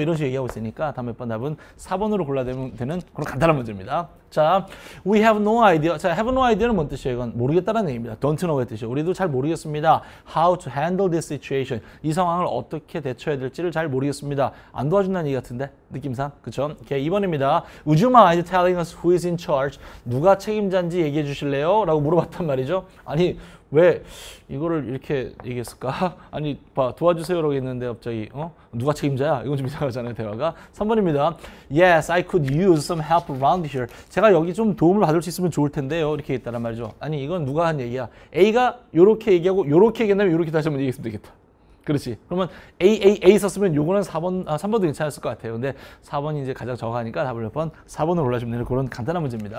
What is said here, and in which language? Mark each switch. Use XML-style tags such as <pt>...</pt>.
<ko>이런 식으로 얘기하고 있으니까 다음에 번 답은 4번으로 골라내면 되는 그런 간단한 문제입니다.</ko> <en>자, We have no idea. 자, have no idea는</en> <ko>뭔 뜻이에요? 이건 모르겠다는 얘기입니다. Don't know의 뜻이에요. 우리도 잘 모르겠습니다.</ko> <en>How to handle this situation.</en> <ko>이 상황을 어떻게 대처해야 될지를 잘 모르겠습니다. 안 도와준다는 얘기 같은데? 느낌상? 그쵸? 오케이, 2번입니다.</ko> <en>Would you mind telling us who is in charge?</en> <ko>누가 책임자인지 얘기해 주실래요? 라고 물어봤단 말이죠. 아니, 왜 이거를 이렇게 얘기했을까? 아니, 봐, 도와주세요라고 했는데 갑자기 어? 누가 책임자야? 이건 좀 이상하잖아요, 대화가. 3번입니다.</ko> <en>Yes, I could use some help around here.</en> <ko>제가 여기 좀 도움을 받을 수 있으면 좋을 텐데요. 이렇게 했다란 말이죠. 아니, 이건 누가 한 얘기야? A가 이렇게 얘기하고 이렇게 얘기한다면 이렇게 다시 한번 얘기했으면 되겠다. 그렇지. 그러면 AAA 썼으면 요거는 4번, 아, 3번도 괜찮았을 것 같아요. 근데 4번이 이제 가장 적하니까 답을 몇 번 4번으로 골라주면 되는 그런 간단한 문제입니다.</ko>